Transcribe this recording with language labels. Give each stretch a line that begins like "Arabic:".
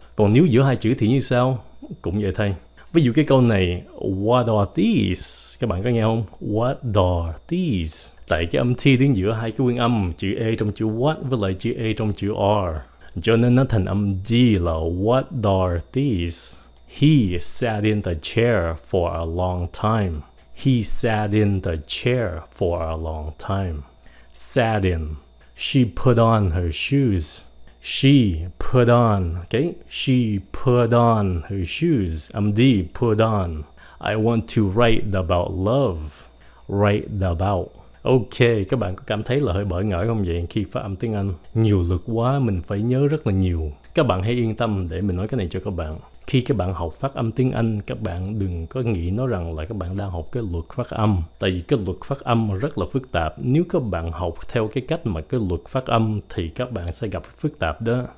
Vietnamese: Còn nếu giữa hai chữ thì như sao? Cũng vậy thôi. Ví dụ cái câu này,
English: what are these?
Vietnamese: Các bạn có nghe không?
English: What are these?
Vietnamese: Tại cái âm T đứng giữa hai cái nguyên âm, chữ A trong chữ what với lại chữ A trong chữ are. Cho nên nó thành âm D là
English: what are these? He sat in the chair for a long time. He sat in the chair for a long time. Sat in. She put on her shoes. She put on, okay? She put on her shoes.
Vietnamese: Âm D,
English: put on. I want to write about love. Write about.
Vietnamese: Ok, các bạn có cảm thấy là hơi bỡ ngỡ không vậy khi phát âm tiếng Anh? Nhiều lực quá, mình phải nhớ rất là nhiều. Các bạn hãy yên tâm để mình nói cái này cho các bạn. Khi các bạn học phát âm tiếng Anh, các bạn đừng có nghĩ nó rằng là các bạn đang học cái luật phát âm. Tại vì cái luật phát âm rất là phức tạp. Nếu các bạn học theo cái cách mà cái luật phát âm thì các bạn sẽ gặp phức tạp đó.